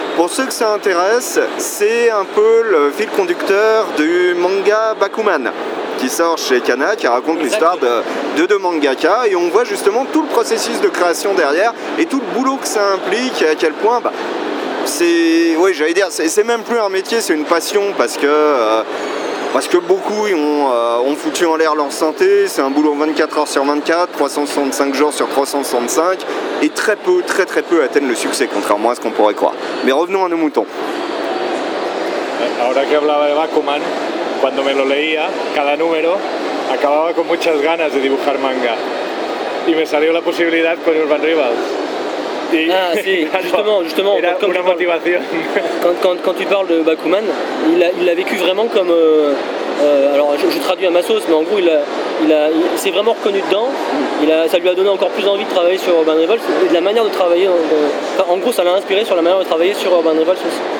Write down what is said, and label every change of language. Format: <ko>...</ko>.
<fr>Pour ceux que ça intéresse, c'est un peu le fil conducteur du manga Bakuman qui sort chez Kana, qui raconte exactement l'histoire de deux mangaka, et on voit justement tout le processus de création derrière et tout le boulot que ça implique, et à quel point bah, c'est, ouais, j'allais dire, c'est même plus un métier, c'est une passion parce que parce que beaucoup ont foutu en l'air leur santé, c'est un boulot 24 heures sur 24, 365 jours sur 365, et très peu atteignent le succès, contrairement à ce qu'on pourrait croire. Mais revenons à nos moutons.</fr> <es>Ahora que hablaba de Bakuman, cuando me lo leía, cada número, acababa con muchas ganas de dibujar manga. Y me salió la posibilidad con Urban Rivals.</es> <fr>Justement,</fr> <es>era quand una motivación.</es> <fr>Quand tu parles de Bakuman, il a vécu vraiment comme... alors je traduis à ma sauce, mais en gros il s'est vraiment reconnu dedans, ça lui a donné encore plus envie de travailler sur Urban Rivals et de la manière de travailler, en gros ça l'a inspiré sur la manière de travailler sur Urban Rivals aussi.</fr>